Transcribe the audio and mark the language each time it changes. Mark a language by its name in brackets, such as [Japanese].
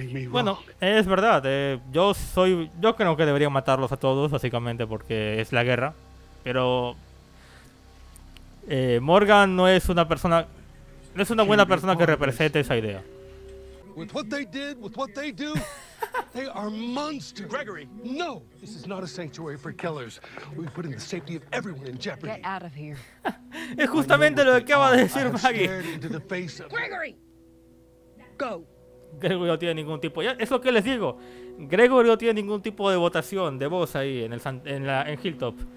[Spanish] Bueno, es verdad, yo creo que debería matarlos a todos, básicamente, porque es la guerra. Pero Morgan no es una persona, no es una buena persona que represente esa idea. [English] With what they did, with what they do, they are monsters. Gregory, no, this is not a sanctuary for killers. We put in the safety of everyone in jeopardy. Get out of here. [Spanish] Es justamente lo que acaba de decir Maggie. [English] Gregory, go. [Spanish] Gregory no tiene ningún tipo. Ya, es lo que les digo. Gregory no tiene ningún tipo de votación, de voz ahí en Hilltop.